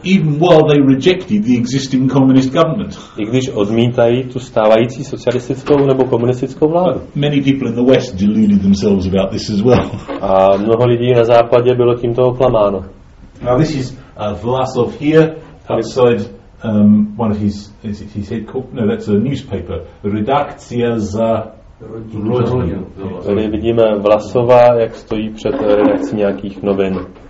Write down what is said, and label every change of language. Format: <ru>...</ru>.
<en>even while they rejected the existing communist government,</en> <cs>i když odmítají tu stávající socialistickou nebo komunistickou vládu.</cs> <en>But many people in the West deluded themselves about this as well.</en> <cs>A mnoho lidí na západě bylo tímto oklamáno.</cs> <en>Now this is Vlasov here. Outside one of his, is it his headquarters? No, that's a newspaper. Redakcia za Rodinu.</en> <cs>Tady vidíme Vlasova, jak stojí před redakcí nějakých novin.</cs>